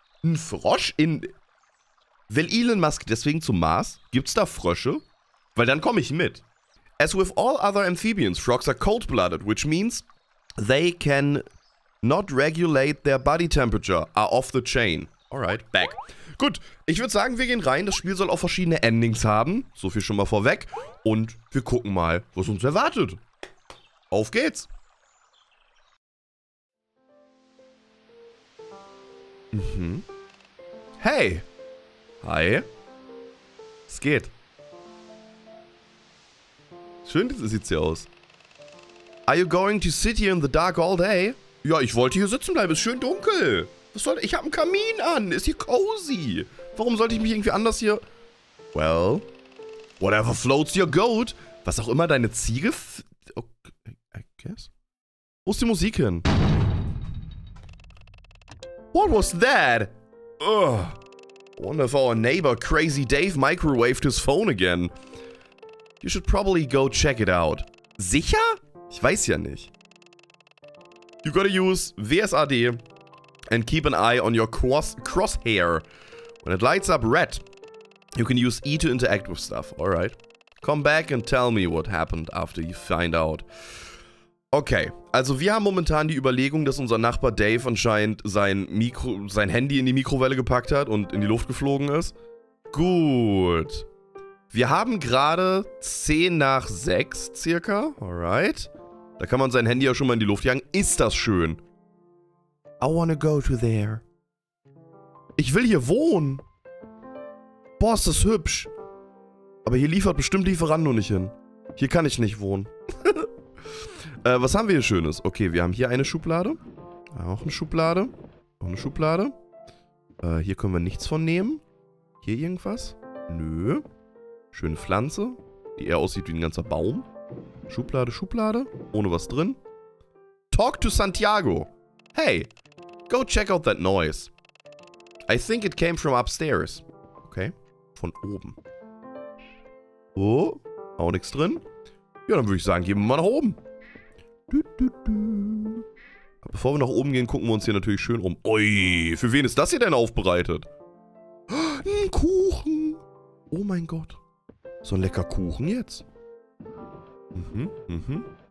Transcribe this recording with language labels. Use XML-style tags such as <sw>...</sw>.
<de>Ein Frosch in... Will Elon Musk deswegen zum Mars? Gibt's da Frösche? Weil dann komme ich mit.</de> <en>As with all other amphibians, frogs are cold-blooded, which means they can not regulate their body temperature, are off the chain. Alright, back.</en> <de>Gut, ich würde sagen, wir gehen rein. Das Spiel soll auch verschiedene Endings haben. So viel schon mal vorweg. Und wir gucken mal, was uns erwartet. Auf geht's. Mhm. Hey. Hi. Es geht. Schön sieht's hier aus.</de> <en>Are you going to sit here in the dark all day?</en> <de>Ja, ich wollte hier sitzen bleiben. Es ist schön dunkel. Was soll... Ich habe einen Kamin an. Ist hier cozy. Warum sollte ich mich irgendwie anders hier...</de> <en>Well, whatever floats your goat.</en> <de>Was auch immer deine Ziege...</de> <en>Okay, I guess.</en> <de>Wo ist die Musik hin?</de> <en>What was that? Ugh. Wonder if our neighbor Crazy Dave microwaved his phone again. You should probably go check it out.</en> <de>Sicher? Ich weiß ja nicht.</de> <en>You gotta use WSAD and keep an eye on your crosshair. When it lights up red, you can use E to interact with stuff. Alright. Come back and tell me what happened after you find out.</en> <de>Okay, also wir haben momentan die Überlegung, dass unser Nachbar Dave anscheinend sein Handy in die Mikrowelle gepackt hat und in die Luft geflogen ist. Gut. Wir haben gerade 10 nach 6 circa. Alright. Da kann man sein Handy ja schon mal in die Luft jagen. Ist das schön.</de> <en>I wanna go to there.</en> <de>Ich will hier wohnen. Boah, ist das hübsch. Aber hier liefert bestimmt Lieferando nicht hin. Hier kann ich nicht wohnen. Was haben wir hier Schönes? Okay, wir haben hier eine Schublade. Auch eine Schublade. Auch eine Schublade. Hier können wir nichts von nehmen. Hier irgendwas? Nö. Schöne Pflanze, die eher aussieht wie ein ganzer Baum. Schublade, Schublade. Ohne was drin.</de> <en>Talk to Santiago. Hey, go check out that noise. I think it came from upstairs.</en> <de>Okay, von oben. Oh, auch nichts drin. Ja, dann würde ich sagen, gehen wir mal nach oben. Bevor wir nach oben gehen, gucken wir uns hier natürlich schön um. Ui, für wen ist das hier denn aufbereitet? Ein Kuchen. Oh mein Gott. So ein lecker Kuchen jetzt. Mhm, mhm.</de>